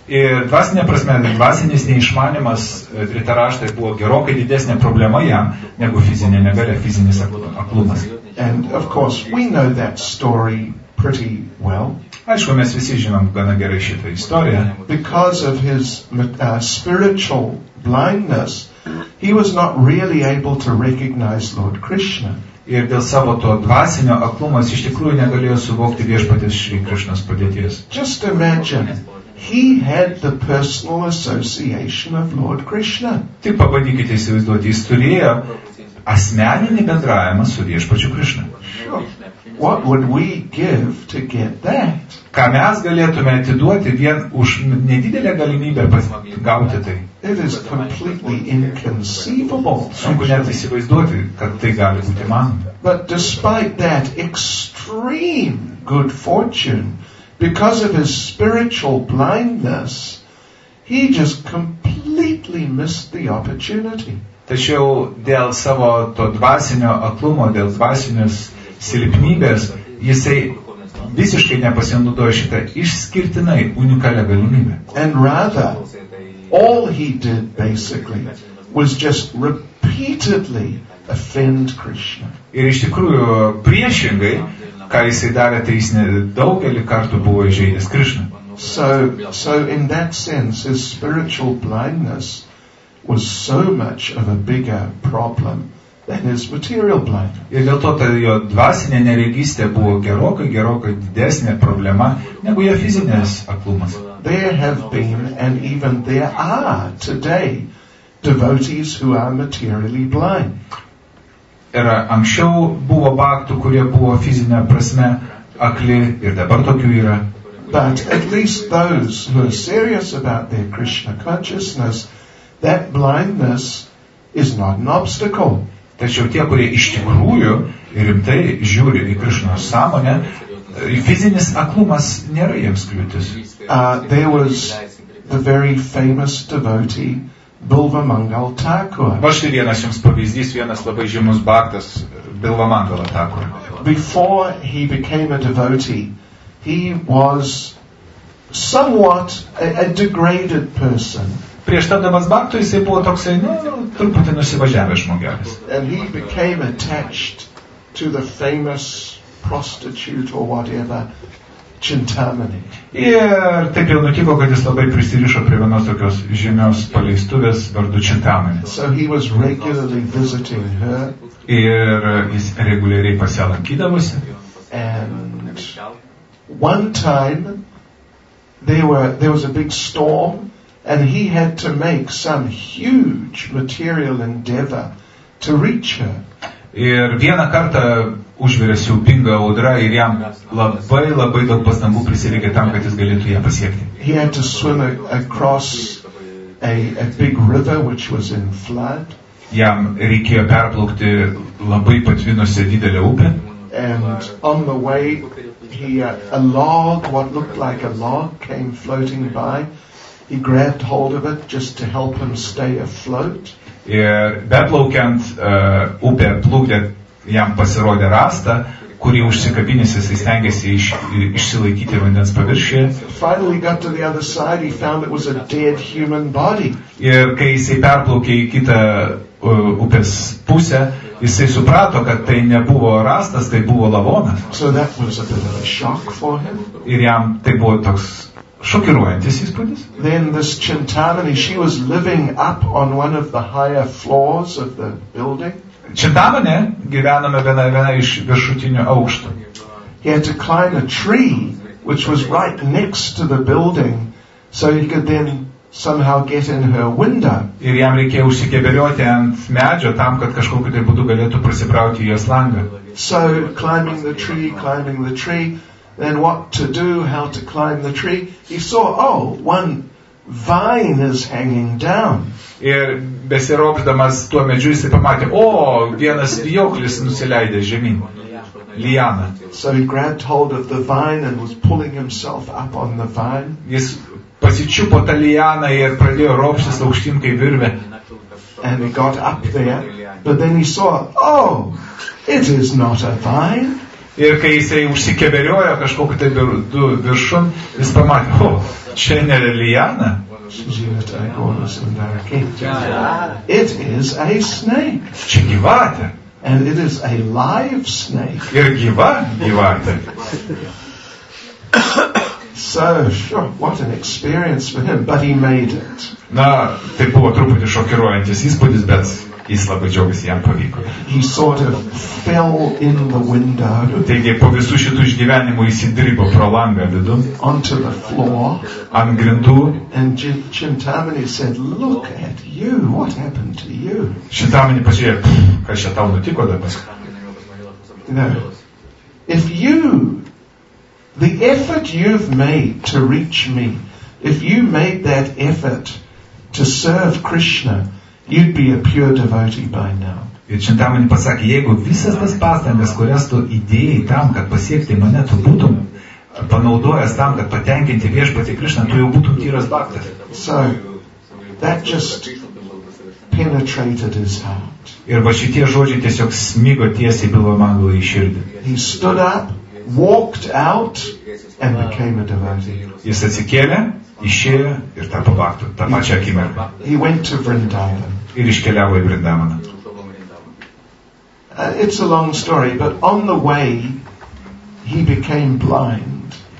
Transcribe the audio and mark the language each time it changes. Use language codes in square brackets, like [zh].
[lt] Ir dvasinė prasme, dvasinis neišmanimas Dhritarashtrai buvo gerokai didesnė problema jam, negu fizinė negalia, fizinis aklumas. [en] And of course, we know that story pretty well. [lt] Aišku, mes visi žinom gana gerai šitą istoriją. [en] Because of his spiritual blindness, he was not really able to recognize Lord Krishna. [lt] Ir dėl savo to dvasinio aklumo jis iš tikrųjų negalėjo suvokti viešpaties Šri Krišnos padėties. [en] Just imagine, he had the personal association of Lord Krishna. [lt] Tik pabandykite įsivaizduoti, jis turėjo asmeninį bendravimą su viešpačiu Krišna. [en] What would we give to get that? [lt] Ką mes galėtume atiduoti vien už nedidelę galimybę gauti tai? [en] It is completely inconceivable. [lt] Sunku net įsivaizduoti, kad tai gali būti man. [en] But despite that extreme good fortune, because of his spiritual blindness, he just completely missed the opportunity. [lt] Tačiau dėl savo to dvasinio aklumo, dėl dvasinės silpnybės, jisai visiškai nepasinaudojo šitą išskirtinai unikalią galimybę. [en] And rather, all he did basically was just repeatedly offend Krishna. [lt] Ir iš tikrųjų priešingai, ką jisai darė, tai jis daugelį kartų buvo įžeidęs Krishna. [en] So in that sense, his spiritual blindness was so much of a bigger problem than his material blindness. [lt] Ir dėl to, tai jo dvasinė neregystė buvo gerokai didesnė problema negu jo fizinės aklumas. [en] There have been, and even there are today, devotees who are materially blind. [lt] Ir anksčiau buvo baktų, kurie buvo fizinė prasme akli, ir dabar tokių yra. [en] But at least those who are serious about their Krishna consciousness, that blindness is not an obstacle. [lt] Tačiau tie, kurie iš tikrųjų rimtai žiūri į Krishna sąmonę, fizinis aklumas nėra jiems kliūtis. [en] There was the very famous devotee Bilva Mangal Thakur. [lt] Va štai vienas jums pavyzdys, vienas labai žymus baktas Bilva Mangal Thakur. [en] Before he became a devotee, he was somewhat a degraded person. [lt] Prieš tapdamas baktu, jis buvo toksai, truputį nusivažiavęs žmogelis. [en] And he became attached to the famous prostitute or whatever Chintamani. [lt] Ir taip jau nutiko, kad jis labai prisirišo prie vienos tokios žymios paleistuvės vardu Chintamani. [en] So he was regularly visiting her. [lt] Ir jis reguliariai pas ją lankydavosi. [en] And one time there was a big storm. And he had to make some huge material endeavor to reach her. [lt] Ir vieną kartą užvirė siaubinga audra ir jam labai labai daug pastangų prisireikė tam, kad jis galėtų ją pasiekti. [en] He had to swim across a big river which was in flood. [lt] Jam reikėjo perplaukti labai patvinusią didelę upę. [en] And on the way a log, what looked like a log, came floating by. He grabbed hold of it just to help him stay afloat. [lt] Ir beplaukiant upę plukdė, jam pasirodė rasta, kurį užsikabinęs jis stengėsi išsilaikyti vandens paviršyje. [en] Finally got to the other side, he found it was a dead human body. [lt] Ir kai jisai perplaukė į kitą upės pusę, jisai suprato, kad tai nebuvo rastas, tai buvo lavonas. [en] So that was a bit of a shock for him. [lt] Ir jam tai buvo toks šokiruojantis įspūdis. [en] Then this Chintamani, she was living up on one of the higher floors of the building. [lt] Chintamani gyvenome viena iš viršutinių aukštų. [en] He had to climb a tree which was right next to the building so he could then somehow get in her window. [lt] Ir jam reikėjo užsikeberioti ant medžio tam, kad kažkokiu tai būdu galėtų prasibrauti į jos langą. [en] So climbing the tree, then what to do, how to climb the tree, he saw, oh, one vine is hanging down. [lt] Ir besiropždamas tuo medžiu, jis pamatė, o, vienas vijoklis nusileidė žemyn, liana. [en] So he grabbed hold of the vine and was pulling himself up on the vine. [lt] Jis pasičiupo tą lianą ir pradėjo ropštis aukštyn kaip virvė. [en] And he got up there, but then he saw, oh, it is not a vine. [lt] Ir kai jisai užsikeberiojo kažkokiu tai du viršun, jis pamatė, o, čia nėra liana. [en] It is a snake. [lt] Čia gyvatė. [en] And it is a live snake. [lt] Ir gyva gyvatė. [en] So, sure, what an experience for him, but he made it. [lt] Na, tai buvo truputį šokiruojantis įspūdis, bet jis labai džiaugiasi, jam pavyko. [en] He sort of fell in the window. [lt] Taigi, po visų šitų išgyvenimų įsidrybo pro langą vidu. [en] Onto the floor. [lt] Ant grindų. [en] And Chintamani said, look at you, what happened to you? [lt] Chintamani pažiūrėjo, kas čia tau nutiko dabar. [en] No. If you, the effort you've made to reach me, if you made that effort to serve Krishna, you'd be a pure devotee by now. [lt] Ir Chintamani pasakė, jeigu visas tas pastangas, kurias tu įdėjai tam, kad pasiekti mane, tu būtum panaudojęs tam, kad patenkinti viešpatį Krishna, tu jau būtum tyras bhaktas. [en] So, that just penetrated his heart. [lt] Ir va šitie žodžiai tiesiog smigo tiesiai Bilvamangalui į širdį. [en] He stood up, walked out and became a devotee. [lt] Jis atsikėlė, išėjo ir tapo bhaktu, tą pačią akimirką. [en] He went to Vrindavan. [lt] Ir iškeliavo į Vrindavaną. [en] It's a long story, but on the way he became blind.